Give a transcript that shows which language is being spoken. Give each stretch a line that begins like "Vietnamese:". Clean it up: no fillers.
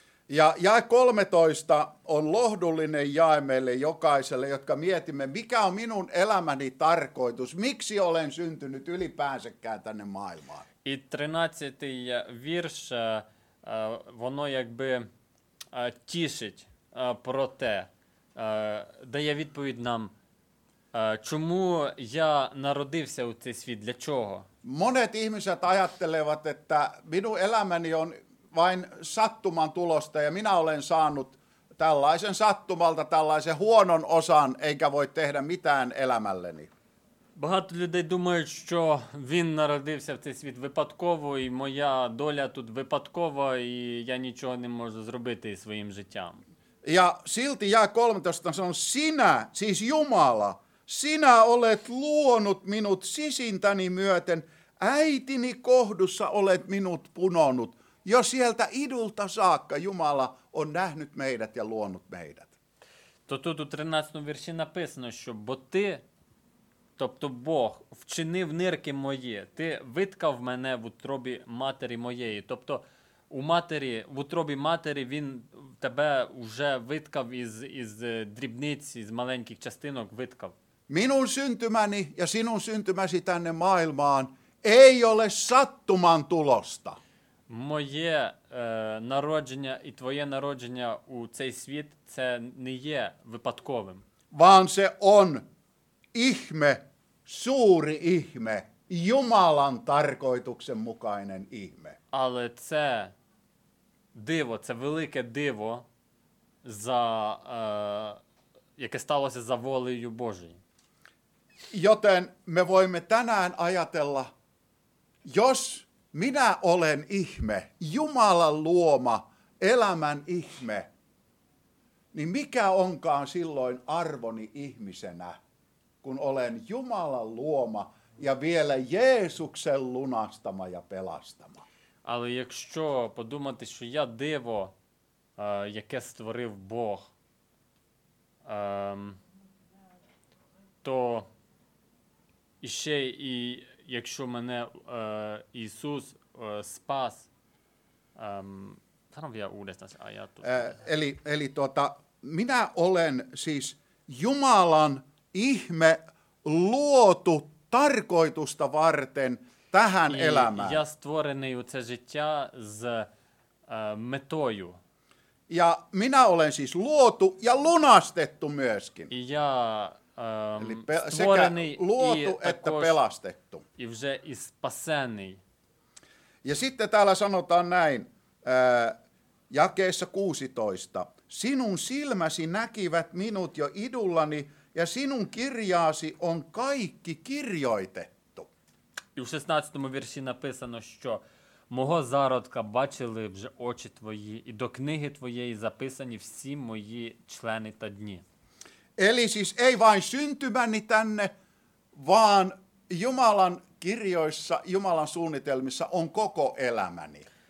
Finnish: Ja jae 13 on lohdullinen jae meille jokaiselle, jotka mietimme, mikä on minun elämäni tarkoitus, miksi olen syntynyt ylipäänsäkään tänne maailmaan.
Ukrainian: І 13 вірш, воно якби тішить про те, дає відповідь нам, чому я народився у цей світ, для чого.
Finnish: Monet ihmiset ajattelevat, että minun elämäni on vain sattuman tulosta ja minä olen saanut tällaisen sattumalta tällaisen huonon osan eikä voi tehdä mitään elämälleni.
Ukrainian: Багато людей думають, що він народився в цей світ випадково, і моя доля тут випадкова, і я нічого не можу зробити своїм життям.
Finnish: Ja silti jae 13 sanon, sinä, siis Jumala, sinä olet luonut minut sisintäni myöten, äitini kohdussa olet minut punonut. Jo sieltä idulta saakka Jumala on nähnyt meidät ja luonut meidät.
Ukrainian: То тут у 13 вірші написано, що бо ти, тобто Бог, вчинив нирки мої, ти виткав мене в утробі матері моєї. Тобто у матері, в утробі матері він тебе вже виткав із дрібниць, із маленьких частинок виткав.
Finnish: Minun syntymäni ja sinun syntymäsi tänne maailmaan ei ole sattuman tulosta.
Ukrainian: Моє народження і твоє народження у цей світ це не є випадковим.
Finnish: Vaan se on ihme, suuri ihme, Jumalan tarkoituksen mukainen ihme.
Ukrainian: Але це диво, це велике диво, за яке сталося за волею Божою.
Finnish: Joten me voimme tänään ajatella, jos minä olen ihme, Jumalan luoma, elämän ihme, niin mikä onkaan silloin arvoni ihmisenä, kun olen Jumalan luoma ja vielä Jeesuksen lunastama ja pelastama.
Ukrainian: Але якщо подумати, що я диво, яке створив Бог, то ще і якщо мене Ісус спас, там я уреснас, а я тут.
Finnish: Eli minä olen siis Jumalan ihme luotu tarkoitusta varten tähän elämään.
Ukrainian: Я створений у це життя з метою.
Finnish: Ja minä olen siis luotu ja lunastettu myöskin. Ja
Ukrainian: створений
Finnish: luotu että pelastettu.
Ukrainian: І вже і спасений.
Finnish: Ja sitten täällä sanotaan näin, jakeessa 16. Sinun silmäsi näkivät minut jo idullani, ja sinun kirjaasi on kaikki kirjoitettu.
Ukrainian: У 16 вірші написано, що мого зародка бачили вже очі твої, і до книги твоєї записані всі мої члени та дні.
Finnish: Eli siis ei vain syntymäni tänne, vaan Jumalan kirjoissa, Jumalan suunnitelmissa on koko elämäni.